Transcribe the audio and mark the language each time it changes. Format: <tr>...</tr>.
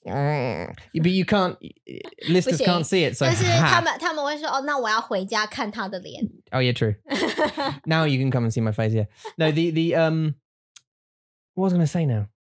<en>But you can't, listeners can't see it, so</en> <zh>但是他们会说,</zh> <en>oh,</en> <zh>那我要回家看他的脸。</zh> <en>Oh yeah, true. Now you can come and see my face, yeah. No, the what was I going to say now?</en>